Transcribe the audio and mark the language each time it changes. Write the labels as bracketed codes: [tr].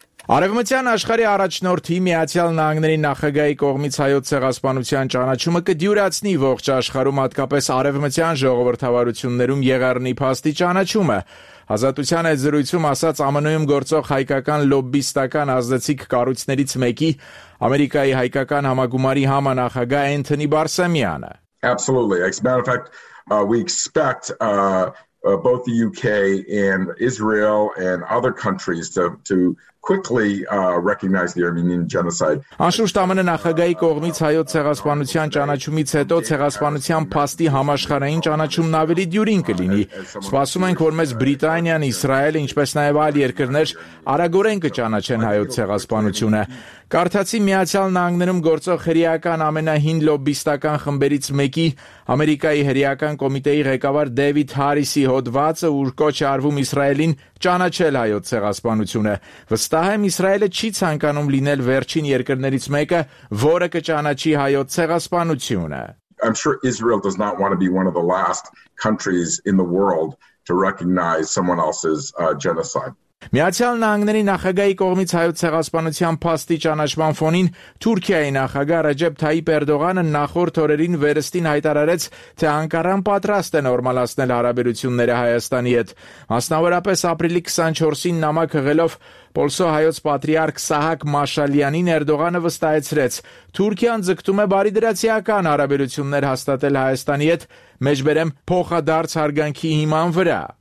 [hy] Արևմտյան աշխարհի առաջնորդի Միացյալ Նահանգների նախագահի կողմից հայոց ցեղասպանության ճանաչումը կդյուրացնի ողջ աշխարհում, հատկապես արևմտյան ժողովրդավարություններում եղարնի փաստի ճանաչումը։ Ազատության այդ զրույցում ասաց ԱՄՆ-ում գործող հայկական լոբբիստական ազդեցիկ կառույցներից մեկի Ամերիկայի հայկական համագումարի համանախագահ Էնթոնի Բարսամյանը. [en] Absolutely. As a matter of fact, we expect both the UK and Israel and other countries to quickly recognize the Armenian genocide. [hy] Անշուշտ ԱՄՆ-ի նախագահի կողմից հայոց ցեղասպանության ճանաչումից հետո ցեղասպանության փաստի համաշխարհային ճանաչումն ավելի դյուրին կլինի։ Սպասում ենք, որ մեզ Բրիտանիան, Իսրայելը, ինչպես նաև այլ երկրներ արագորեն կճանաչեն հայոց ցեղասպանությունը։ Կարդացի Միացյալ Նահանգներում գործող հրեական ամենահին լոբբիստական խմբերից մեկի Ամերիկայի հրեական կոմիտեի ղեկավար Դեվիդ Հարիսի հոդվածը, ուր կոչ է արվում Իսրայելին ճանաչել հայոց ցեղասպանությունը։ Վստահ եմ, Իսրայելը չի ցանկանում լինել վերջին երկրներից մեկը, որը կճանաչի հայոց ցեղասպանությունը։ [en] I'm sure Israel does not want to be one of the last countries in the world to recognize someone else's genocide. [hy] Միացյալ Նահանգների նախագահի կողմից հայոց ցեղասպանության փաստի ճանաչման ֆոնին Թուրքիայի նախագահ Ռեջեփ Թայիփ Էրդողանը նախորդ օրերին վերստին հայտարարեց, թե Անկարան պատրաստ է նորմալացնել հարաբերությունները Հայաստանի հետ, մասնավորապես ապրիլի 24-ին նամակ հղելով Պոլսո հայոց պատրիարք Սահակ Մաշալյանին։ Էրդողանը վստահեցրեց, Թուրքիան ձգտում է բարիդրացիական հարաբերություններ հաստատել Հայաստանի հետ մեջբերեմ փոխադարձ հարգանքի հիման վրա։